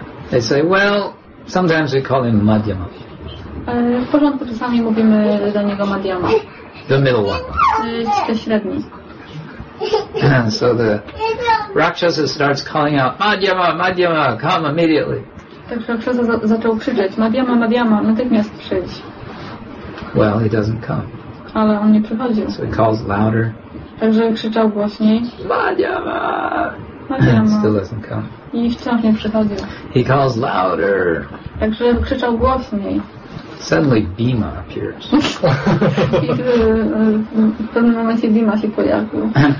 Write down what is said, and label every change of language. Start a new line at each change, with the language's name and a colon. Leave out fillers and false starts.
English: They say, well, sometimes we call him Madhyama.
Polish: W porządku, czasami mówimy do niego Madhyama.
English: The middle one.
Polish: Te średnie.
English: And so the Rakshasa starts calling out, Madhyama, Madhyama, come immediately.
Polish: Także Rakshasa zaczął krzyczeć, Madhyama, Madhyama, natychmiast przyjdź.
English: Well, he doesn't come.
Polish: Ale on nie przychodził.
English: So he calls louder.
Polish: Także krzyczał głośniej. Madhyama! Madhyama.
English: Still doesn't come.
Polish: I wciąż nie przychodził.
English: He calls louder.
Polish: Także krzyczał głośniej.
English: Suddenly Bhima appears.
Polish: I w pewnym momencie Bhima się pojawił.